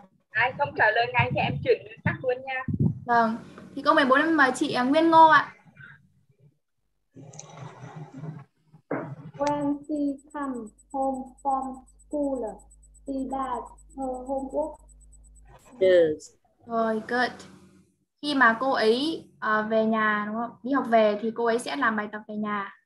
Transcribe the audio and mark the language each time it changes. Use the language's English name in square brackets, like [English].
[Vietnamese] Ai không trả lời ngay thì em chuyển khác luôn nha. Vâng. Thì câu 14 em mời chị Nguyên Ngô ạ. [English] When she comes home from school, she does her homework. Yes. [Vietnamese] Rồi, good. Khi mà cô ấy về nhà, đúng không? Đi học về thì cô ấy sẽ làm bài tập về nhà.